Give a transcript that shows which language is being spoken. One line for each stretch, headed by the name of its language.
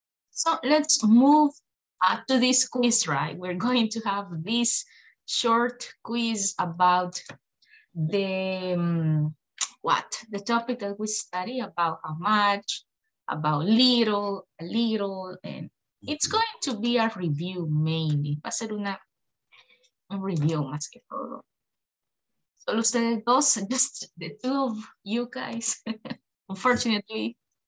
English: So let's move to this quiz, right? We're going to have this short quiz about the, the topic that we study about how much, about little, a little, and it's going to be a review mainly.
Spanish: Va a ser una review más que todo. Solo ustedes dos,
English: just the two of you guys, unfortunately.